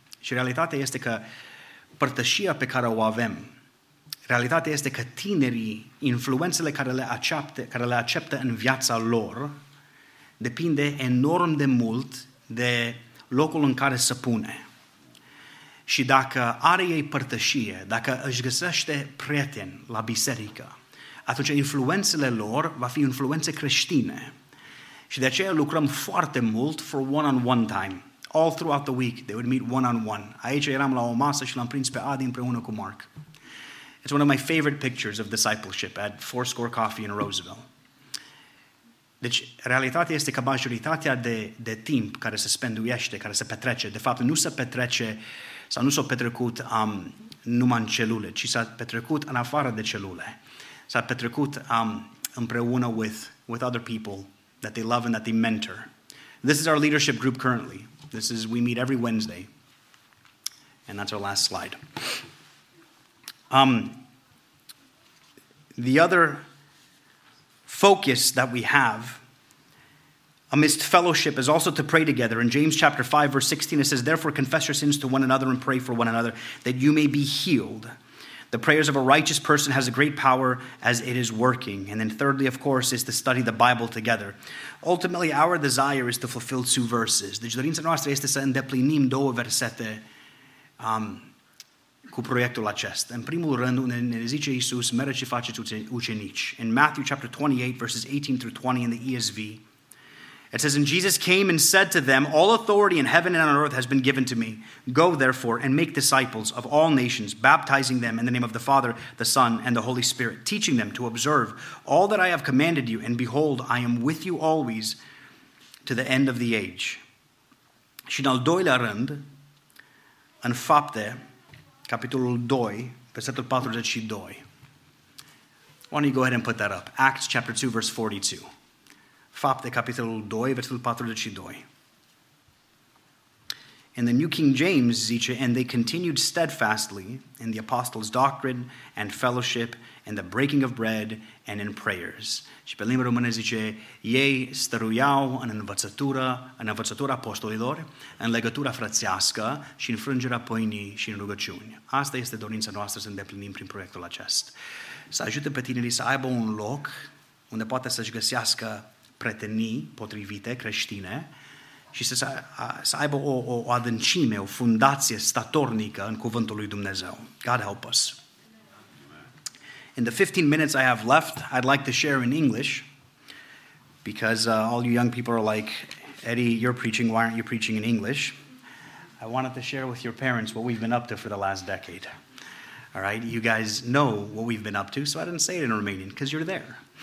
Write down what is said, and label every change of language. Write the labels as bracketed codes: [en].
[ro] Și realitatea este că părtășia pe care o avem, realitatea este că tinerii, influențele care le acceptă în viața lor, depinde enorm de mult de locul în care se pune. Și dacă are ei părtășie, dacă își găsește prieteni la biserică, atunci influențele lor va fi influențe creștine. Și de aceea lucrăm foarte mult [en] for one-on-one time. All throughout the week, they would meet one-on-one. [ro] Aici eram la o masă și l-am prins pe Adi împreună cu Mark. [en] It's one of my favorite pictures of discipleship at Four Score Coffee in Roseville. [ro] Deci, realitatea este că majoritatea de timp care se spenduiește, care se petrece, de fapt, nu se petrece sau nu s-a petrecut numai în celule, ci s-a petrecut în afară de celule. S-a petrecut împreună [en] with other people that they love and that they mentor. This is our leadership group currently. This is, we meet every Wednesday. And that's our last slide. The other focus that we have amidst fellowship is also to pray together. In James chapter 5, verse 16, it says, therefore, confess your sins to one another and pray for one another that you may be healed. The prayers of a righteous person has a great power as it is working. And then thirdly, of course, is to study the Bible together. Ultimately, our desire is to fulfill two verses. [ro] Deci dorința noastră este să îndeplinim două versete cu proiectul acest. În primul rând, unde ne zice Iisus, mergeți și faceți ucenici. [en] In Matthew chapter 28, verses 18 through 20 in the ESV, it says, and Jesus came and said to them, all authority in heaven and on earth has been given to me. Go, therefore, and make disciples of all nations, baptizing them in the name of the Father, the Son, and the Holy Spirit, teaching them to observe all that I have commanded you. And behold, I am with you always to the end of the age. [ro] Și în al doilea rând, în Fapte, capitolul 2, versetul 42. [en] Why don't you go ahead and put that up? Acts chapter 2, verse 42. [ro] Fapte, capitolul 2, versetul 42. [en] And the New King James [ro] zice, [en] and they continued steadfastly in the apostles' doctrine and fellowship and the breaking of bread and in prayers. [ro] Și pe limba română zice, ei stăruiau în învățătura apostolilor, în legătura frățească și în frângerea pâinii și în rugăciuni. Asta este dorința noastră să îndeplinim prin proiectul acest. Să ajute pe tinerii să aibă un loc unde poate să-și găsească prietenii potrivite, creștine, și să aibă o adâncime, o fundație statornică în cuvântul lui Dumnezeu. [en] God help us. In the 15 minutes I have left, I'd like to share in English, because all you young people are like, Eddie, you're preaching, why aren't you preaching in English? I wanted to share with your parents what we've been up to for the last decade. All right, you guys know what we've been up to, so I didn't say it in Romanian, because you're there.